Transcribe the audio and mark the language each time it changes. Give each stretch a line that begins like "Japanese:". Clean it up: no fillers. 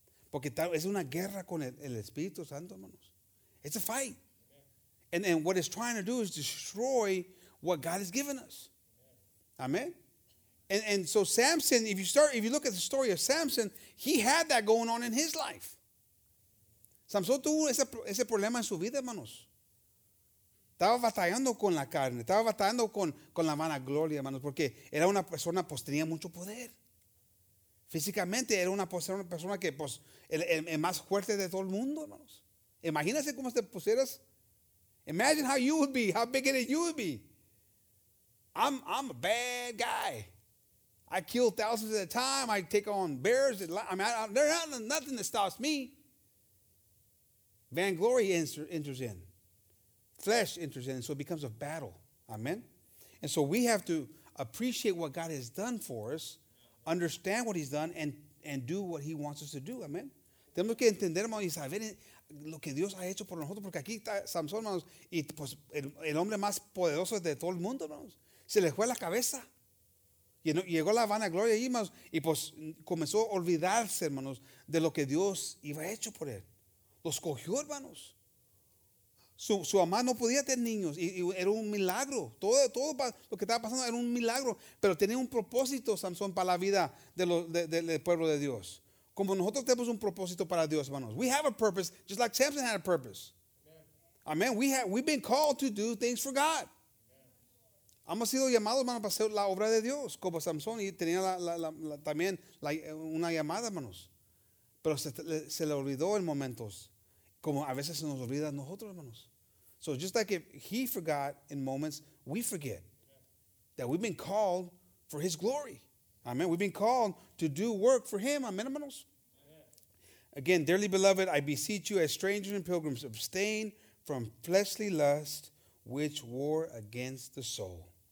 Spanish: Porque es una guerra con el Espíritu Santo, hermanos.
English: It's a fight. And what it's trying to do is destroy what God has given us. Amen. And so Samson, if you look at the story of Samson, he had that going on in his life.
Spanish: Samson tuvo ese problema en su vida, hermanos. Estaba batallando con la carne, estaba batallando con la vanagloria, hermanos, porque era una persona, pues tenía mucho poder. Físicamente era una persona que, pues, el más fuerte de todo el mundo, hermanos. Imagínense cómo te pusieras.
English: Imagine how you would be, how big it you would be. I'm a bad guy. I kill thousands at a time. I take on bears. There's nothing that stops me. Vanglory enters in. Flesh enters in. So it becomes a battle. Amen. And so we have to appreciate what God has done for us, understand what he's done, and do what he wants us to do. Amen.
Spanish: Tenemos que entender, hermanos, y saber lo que Dios ha hecho por nosotros. Porque aquí está Samson, hermanos, y pues el hombre más poderoso de todo el mundo, hermanos. Se le fue la cabeza. Llegó la vanagloria ahí, hermanos, y pues comenzó a olvidarse, hermanos, de lo que Dios iba hecho por él. Los cogió, hermanos. Su mamá no podía tener niños, y era un milagro. Todo lo que estaba pasando era un milagro, pero tenía un propósito, Samson, para la vida del pueblo de Dios. Como nosotros tenemos un propósito para Dios, hermanos.
English: We have a purpose, just like Samson had a purpose. Amen. We've been called to do things for God.
Spanish: Hemos sido llamados, hermanos, para hacer la obra de Dios, como Samson, y tenía también una llamada, hermanos. Pero se le olvidó en momentos, como a veces se nos olvida nosotros, hermanos.
English: So just like if he forgot in moments, we forget that we've been called for his glory. Amen. We've been called to do work for him. Amen, hermanos. Again, dearly beloved, I beseech you as strangers and pilgrims, abstain from fleshly lust, which war against the soul.